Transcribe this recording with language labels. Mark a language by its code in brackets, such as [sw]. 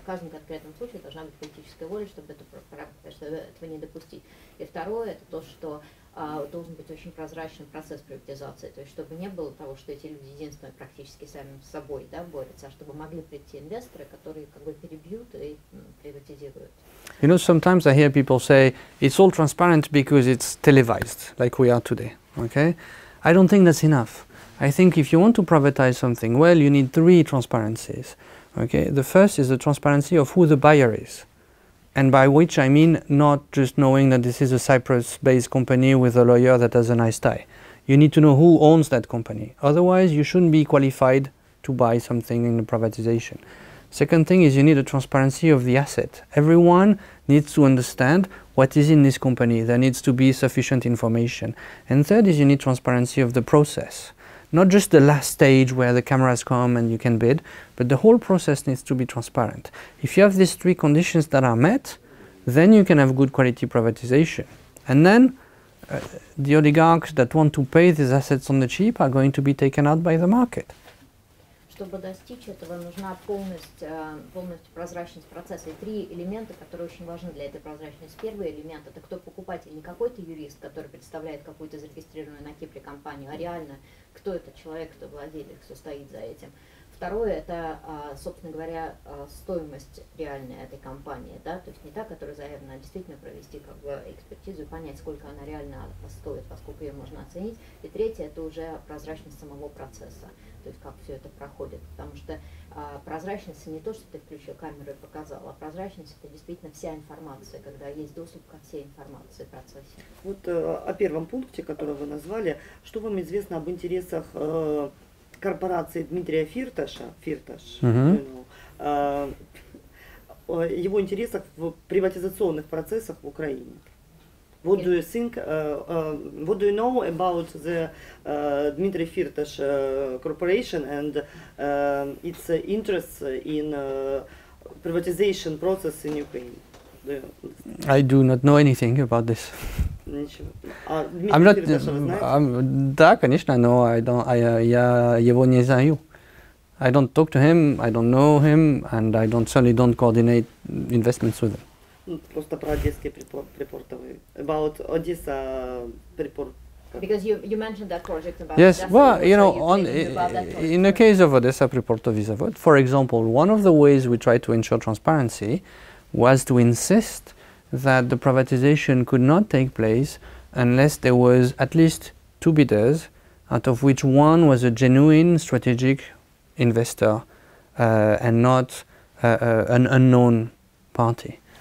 [ru] В каждом конкретном случае должна быть политическая воля, чтобы этого не допустить. И второе, это то, что должен быть очень прозрачный процесс приватизации, то есть чтобы не было того, что эти люди единственные практически сами с собой, да, борются, а чтобы могли прийти инвесторы, которые как бы перебьют и приватизируют. [en] You know, sometimes I hear people say it's all transparent because it's televised, like we are today. Okay, I don't think that's enough. I think if you want to privatize something, well, you need three transparencies. Okay, the first is the transparency of who the buyer is. And by which I mean not just knowing that this is a Cyprus-based company with a lawyer that has a nice tie. You need to know who owns that company. Otherwise, you shouldn't be qualified to buy something in the privatization. Second thing is you need a transparency of the asset. Everyone needs to understand what is in this company. There needs to be sufficient information. And third is you need transparency of the process. Not just the last stage where the cameras come and you can bid, but the whole process needs to be transparent. If you have these three conditions that are met, then you can have good quality privatization. And then the oligarchs that want to pay these assets on the cheap are going to be taken out by the market. [ru] Чтобы достичь этого, нужна полностью прозрачность процесса. И три элемента, которые очень важны для этой прозрачности. Первый элемент – это кто покупатель, не какой-то юрист, который представляет какую-то зарегистрированную на Кипре компанию, а реально кто этот человек, кто владелец, кто стоит за этим. Второе – это, собственно говоря, стоимость реальной этой компании, да, то есть не та, которая заявлена, а действительно провести как бы экспертизу и понять, сколько она реально стоит, поскольку ее можно оценить. И третье – это уже прозрачность самого процесса, то есть как все это проходит, потому что прозрачность – не то, что ты включил камеру и показал, а прозрачность – это действительно вся информация, когда есть доступ ко всей информации в процессе. Вот о первом пункте, который вы назвали, что вам известно об интересах корпорации Дмитрия Фирташа, его интересах в приватизационных процессах в Украине. [en] What do you think, what do you know about the Dmitry Firtash corporation and its interests in privatization process in Ukraine? I do not know anything about this. [ru] Да, конечно, но я его не знаю. [en] I don't talk to him, I don't know him, and I don't certainly don't coordinate investments with him. [ru] Просто про одесские припортовые. [en] About Odessa [ru] припорт. [en] Because you mentioned that project about. Yes, well, you know, in the case of Odessa припортовый завод, for example, one of the ways we try to ensure transparency was to insist that the privatization could not take place unless there was at least two bidders, out of which one was a genuine strategic investor and not an unknown party.